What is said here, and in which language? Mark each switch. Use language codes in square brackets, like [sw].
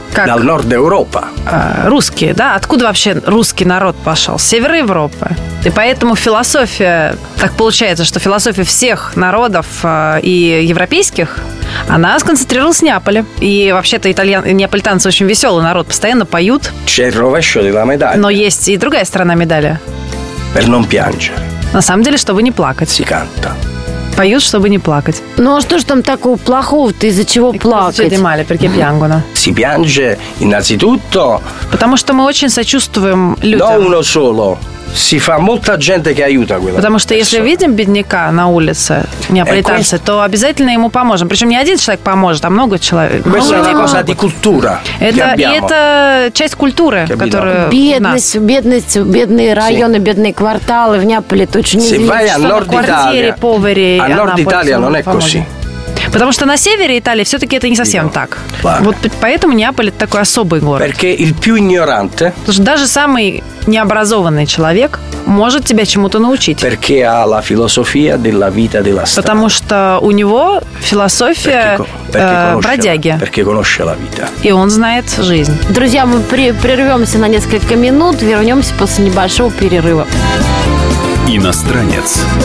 [it] Dal nord Europa. [ru] Русские, да? Откуда вообще русский народ пошел? С севера Европы. И поэтому философия, так получается, что философия всех народов и европейских, она сконцентрировалась в Неаполе. И вообще-то неаполитанцы очень веселый народ, постоянно поют. [it] C'è il rovescio della medaglia. [ru] Но есть и другая сторона медали. [it] Per non piangere. [ru] На самом деле, чтобы не плакать. [it] Si canta. [ru] Поют, чтобы не плакать. Ну а что ж там такого плохого-то? Из-за чего плакать? [it] Si piange innanzitutto. [ru] Потому что мы очень сочувствуем людям. [it] Non uno solo. Si fa molta gente che aiuta quella. [ru] Потому что если видим бедняка на улице, неаполитанца, то обязательно ему поможем. Причем не один человек поможет, а много человек. [it] Questa è una cosa di cultura. [ru] Это часть культуры, которая бедность, бедные районы, бедные кварталы в Неаполе. Это очень известно, что на квартире повари. [it] A nord Italia non è così. [ru] Потому что на севере Италии все-таки это не совсем так. Вот поэтому Неаполь – это такой особый город. [it] Perché il più ignorante. [ru] Потому что даже самый необразованный человек может тебя чему-то научить. [it] Perché ha la filosofia della vita della strada. [ru] Потому что у него философия бродяги. [it] Perché conosce la vita. [ru] И он знает жизнь. Друзья, мы прервемся на несколько минут, вернемся после небольшого перерыва. Иностранец.